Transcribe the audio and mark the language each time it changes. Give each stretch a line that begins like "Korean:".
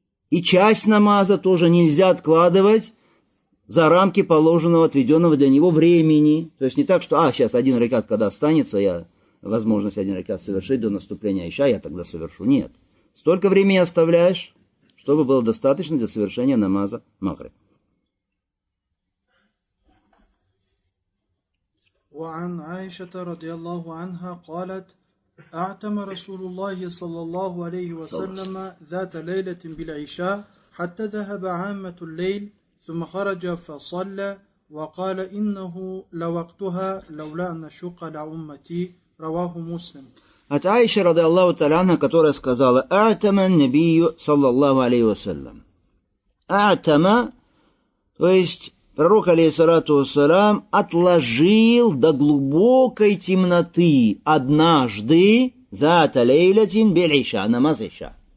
Russian: И часть намаза тоже нельзя откладывать за рамки положенного, отведенного для него времени. То есть не так, что, сейчас один рекат, когда останется, я возможность один рекат совершить до наступления Иша, я тогда совершу. Нет. Столько времени оставляешь, чтобы было достаточно для совершения намаза Магриб.
Arabic: وعن عائشة رضي الله عنها قالت أعتم رسول الله صلى الله عليه وسلم ذات ليلة بالعشاء حتى ذهب عامة الليل ثم خرج فصلى وقال إنه لوقتها لولا أن شق لأمتي رواه مسلم.
Russian: От عائشة رضي الله تعالى عنها которая сказала
Arabic: أعتم النبي صلى الله عليه وسلم أعتم
Russian: то есть Пророк, алейхиссалату вассалям, отложил до глубокой темноты однажды за талейлятин бель иша, намаз иша.